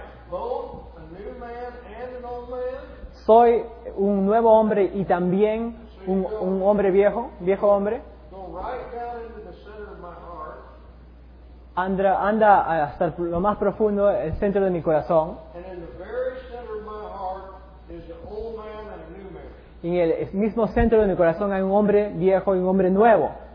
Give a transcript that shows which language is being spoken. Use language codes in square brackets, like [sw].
[en] Both a new man and an old man. [es] Soy un nuevo hombre y también un hombre viejo hombre. [en] Go right down into the center of my heart. [es] Anda hasta lo más profundo, el centro de mi corazón. [en] And in the very center of my heart is an old man and a new man. [es] Y en el mismo centro de mi corazón hay un hombre viejo y un hombre nuevo.